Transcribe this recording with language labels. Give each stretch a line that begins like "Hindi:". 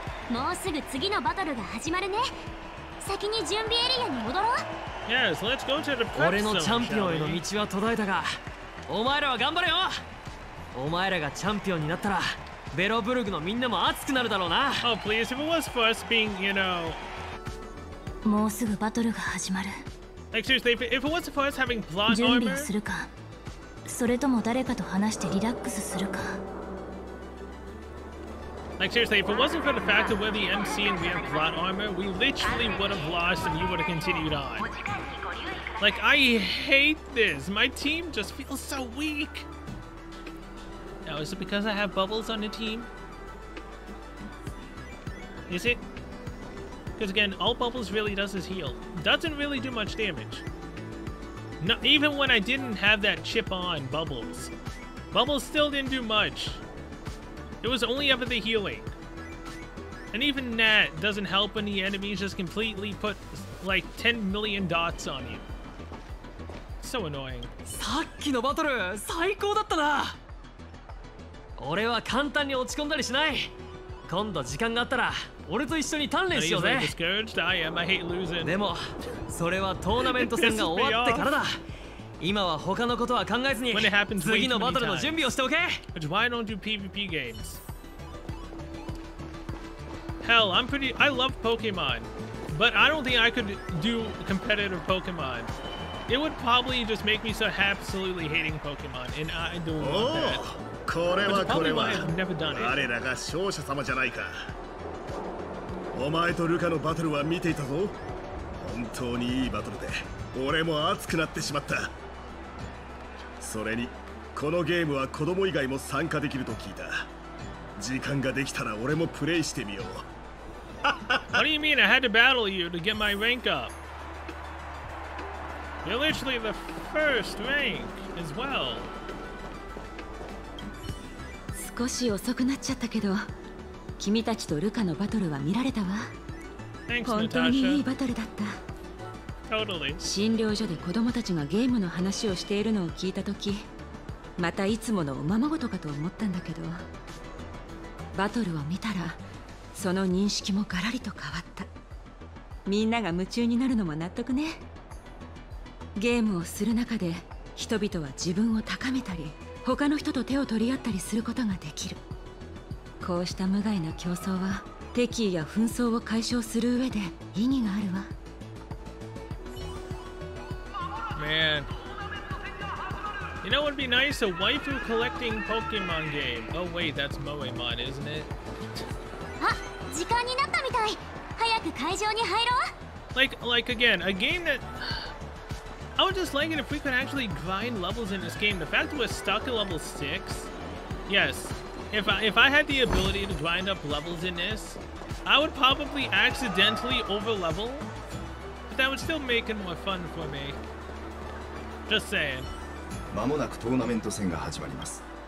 Japanese: もうすぐ次のバトルが始まるね。先に準備エリアに戻ろう。
English: Yes, let's go to the prep zone.
Japanese: 俺のチャンピオンへの道は途絶えたが、お前らは頑張れよ。お前らがチャンピオンになったら、ベロブルグのみんなも熱くなるだろうな。
English: Oh please, if it was for us being, you know...
Japanese: もうすぐバトルが始まる。
English: Like seriously, if it was for us having blood armor...
Japanese: 準備をするか、それとも誰かと話してリラックスするか。
English: Like seriously, if it wasn't for the fact that we're the MC and we have blood armor, we literally would have lost and you would have continued on. Like, I hate this. My team just feels so weak. Now, is it because I have bubbles on the team? Is it? Because again, all bubbles really does is heal. Doesn't really do much damage. Not even when I didn't have that chip on bubbles. Bubbles still didn't do much. It was only ever the healing. And even that doesn't help when the enemies just completely put like 10 million dots on you. So annoying.
Japanese: さっきのバトル最高だったな。俺は簡単に落ち込んだりしない。今度時間があったら俺と一緒に鍛錬しようぜ。でもそれはトーナメント戦が終わってからだ。今は他のことは考えずに次のバトルの準備をしておけ。
English: Why don't you PvP games? Hell, I'm pretty. I love Pokemon, but I don't think I could do competitive Pokemon. It would probably just make me so absolutely hating Pokemon, and I don't want that.
Japanese: これはこれは。
English: I've never done it.
Japanese: 我らが勝者様じゃないか。お前とルカのバトルは見ていたぞ。本当にいいバトルで、俺も熱くなってしまった。それに、このゲームは子供以外も参加できると聞いた。時間ができたら俺もプレイしてみよう。
English: What do you mean I had to battle you to get my rank up? You're literally the first rank as well.
Japanese: 少し遅くなっちゃったけど、君たちとルカのバトルは見られたわ。本当にいいバトルだった。
English: Totally.
Japanese: 診療所で子供たちがゲームの話をしているのを聞いたとき、またいつものおままごとかと思ったんだけど、バトルを見たら、その認識もガラリと変わった。みんなが夢中になるのも納得ね。ゲームをする中で人々は自分を高めたり他の人と手を取り合ったりすることができる。こうした無害な競争は敵意や紛争を解消する上で意義があるわ。
English: Man, you know what would be nice? A waifu collecting Pokemon game. Oh wait, that's Moemon, isn't it?
Japanese: あ、時間になったみたい。早く会場に入ろう。
English: Like again, a game that... I would just like it if we could actually grind levels in this game. The fact that we're stuck at level 6... Yes, if I had the ability to grind up levels in this, I would probably accidentally over-level. But that would still make it more fun for me. Just saying.
Japanese: まもなくトーナメント戦が始まります。